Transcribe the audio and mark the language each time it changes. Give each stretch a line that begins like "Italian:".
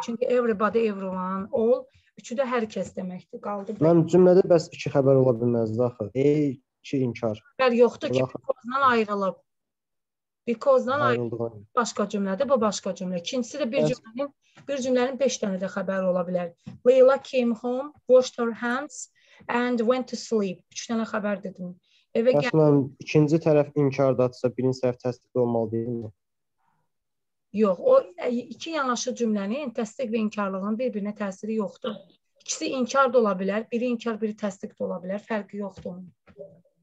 Azerbaijani: Çünki
English: everybody, everyone, all,
Azerbaijani: üçü də hər kəs deməkdir. Qaldı. Mən cümlədə bəs iki xəbər ola bilməzdi, axı. Ey, iki inkar. Bəli, yoxdur ki, bundan ayrılıb. Because-dan başqa cümlədir, bu başqa cümlə. İkincisi də bir cümlənin 5 dənə də xəbəri ola bilər.
English: Leila came home, washed her hands and went to sleep.
Azerbaijani: 3 dənə xəbər dedim. Evə gəldi. Məsələn, ikinci tərəf inkardadsa, birinci tərəf təsdiq olmalı deyilmi? Yox, o iki yanaşı cümlənin təsdiq və inkarlığının bir-birinə təsiri yoxdur. İkisi inkar da ola bilər, biri inkar, biri təsdiq də ola bilər. Fərqi yoxdur onun.